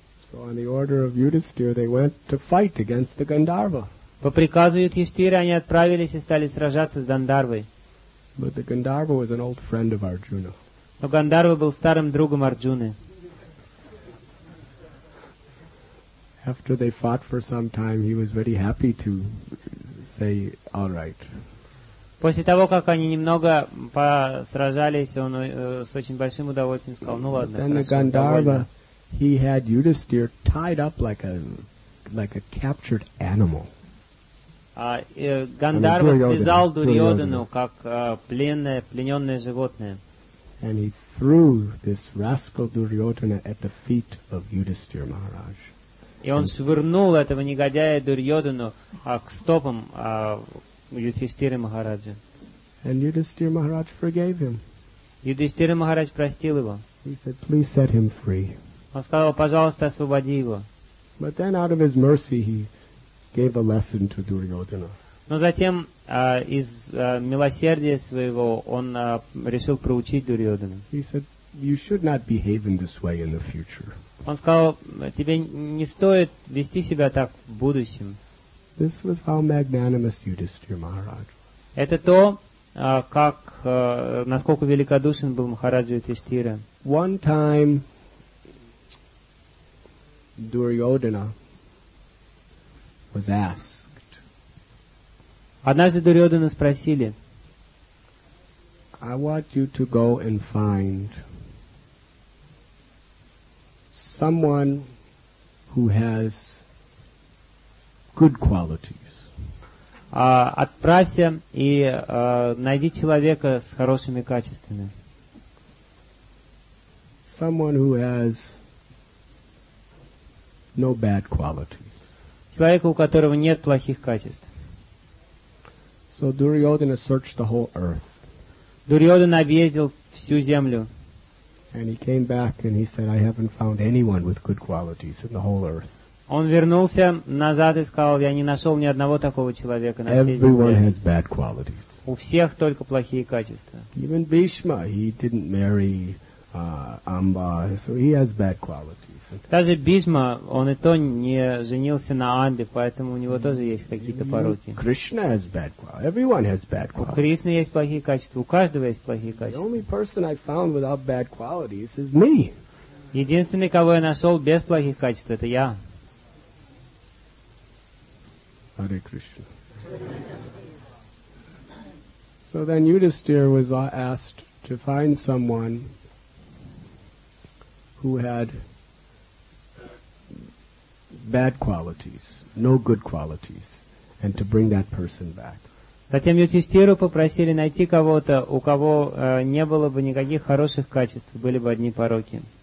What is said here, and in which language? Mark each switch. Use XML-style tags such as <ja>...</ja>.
<en>So on the order of Yudhisthira, they went to fight against the Gandharva.</en> <ru>По приказу Юдхиштхиры они отправились и стали сражаться с Гандхарвой.</ru> <en>But the Gandharva was an old friend of Arjuna.</en> <ru>Но Гандхарва был старым другом Арджуны.</ru> <en>After they fought for some time, he was very happy to say, "All right."</en> <ru>После того, как они немного посражались, он с очень большим удовольствием сказал: "Ну ладно, хорошо."</ru> <en>Then the Gandharva, he had Yudhisthira tied up like a captured animal.</en> <ru>Гандхарва связал Дурьодхану как плененное животное.</ru> <en>And he threw this rascal Duryodhana at the feet of Yudhisthira Maharaj.</en> <ru>И он швырнул этого негодяя Дурьодхану к стопам Юдхиштхиры Махараджа.</ru> <en>And Yudhisthira Maharaj forgave him.</en> <ru>Юдхиштхира Махарадж простил его.</ru> <en>He said, "Please set him free."</en> <ru>Он сказал: "Пожалуйста, освободи его."</ru> <en>But then out of his mercy he gave a lesson to Duryodhana.</en> <ru>Но затем из милосердия своего он решил проучить Дурьодхана.</ru> <en>He said, "You should not behave in this way in the future."</en> <ru>Он сказал: "Тебе не стоит вести себя так в будущем."</ru> <en>This was how magnanimous Yudhisthira Maharaj.</en> <ru>Это то, как насколько великодушен был Махараджа Юдхиштхира.</ru> <en>One time Duryodhana was asked.</en> <ru>Однажды Дурьодхану спросили:</ru> <en>"I want you to go and find someone who has good qualities."</en> <ru>Отправься и найди человека с хорошими качествами.</ru> <en>Someone who has no bad qualities.</en> <ru>Человека, у которого нет плохих качеств.</ru> <en>So Duryodhana searched the whole earth.</en> <ru>Дурьодхана объездил всю землю.</ru> <en>And he came back and he said, "I haven't found anyone with good qualities in the whole earth."</en> <ru>Он вернулся назад и сказал: "Я не нашел ни одного такого человека на всей земле."</ru> <en>Everyone has bad qualities.</en> <ru>У всех только плохие качества.</ru> <en>Even Bhishma, he didn't marry Amba, so he has bad qualities.</en> <ru>Даже Бхишма, он и то не женился на Амбе, поэтому у него тоже есть какие-то пороки.</ru> <en>Krishna has bad qualities. Everyone has bad qualities.</en> <ru>У Кришны есть плохие качества, у каждого есть плохие качества.</ru> <en>The only person I found without bad qualities is me.</en> <ru>Единственный, кого я нашел без плохих качеств, это я.</ru> <sa>Hare Krishna.</sa> <en>So then Yudhisthira was asked to find someone who had bad qualities, no good qualities, and to bring that person back.</en> <ru>Затем Юдхиштхиру попросили найти кого-то, у кого не было бы никаких хороших качеств, были бы одни пороки.</ru>